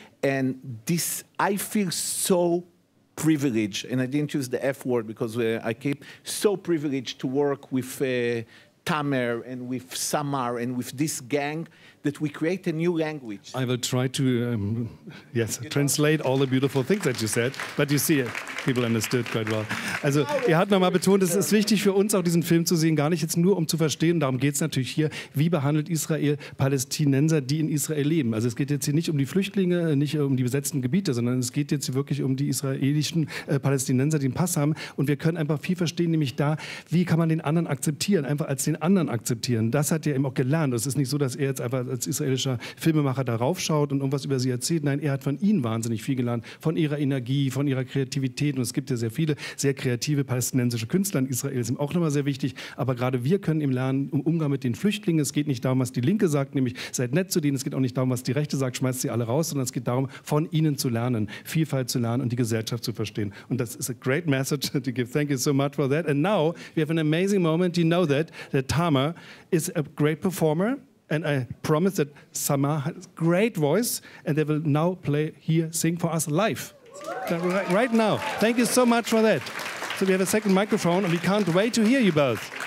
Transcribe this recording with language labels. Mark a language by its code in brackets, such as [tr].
[en] And this, I feel so privileged, and I didn't use the F word because I keep so privileged to work with Tamer and with Samar and with this gang that we create a new language. I will try to, yes, you translate know? All the beautiful things that you said, but you see it. People understood quite well. [de] Also, er hat nochmal betont, es ist wichtig für uns auch diesen Film zu sehen, gar nicht jetzt nur um zu verstehen, darum geht es natürlich hier, wie behandelt Israel Palästinenser, die in Israel leben. Also es geht jetzt hier nicht um die Flüchtlinge, nicht um die besetzten Gebiete, sondern es geht jetzt wirklich um die israelischen Palästinenser, die einen Pass haben. Und wir können einfach viel verstehen, nämlich da, wie kann man den anderen akzeptieren, einfach als den anderen akzeptieren. Das hat er eben auch gelernt. Es ist nicht so, dass er jetzt einfach als israelischer Filmemacher darauf schaut und irgendwas über sie erzählt. Nein, er hat von ihnen wahnsinnig viel gelernt, von ihrer Energie, von ihrer Kreativität. Und es gibt ja sehr viele sehr kreative palästinensische Künstler in Israel, ist ihm auch nochmal sehr wichtig. Aber gerade wir können ihm lernen, im Umgang mit den Flüchtlingen. Es geht nicht darum, was die Linke sagt, nämlich seid nett zu denen. Es geht auch nicht darum, was die Rechte sagt, schmeißt sie alle raus. Sondern es geht darum, von ihnen zu lernen, Vielfalt zu lernen und die Gesellschaft zu verstehen. Und das ist [en] a great message to give. Thank you so much for that. And now we have an amazing moment. You know that Tamer is a great performer. And I promise that Samar has a great voice. And they will now play here, sing for us live. Right now. Thank you so much for that. So we have a second microphone and we can't wait to hear you both.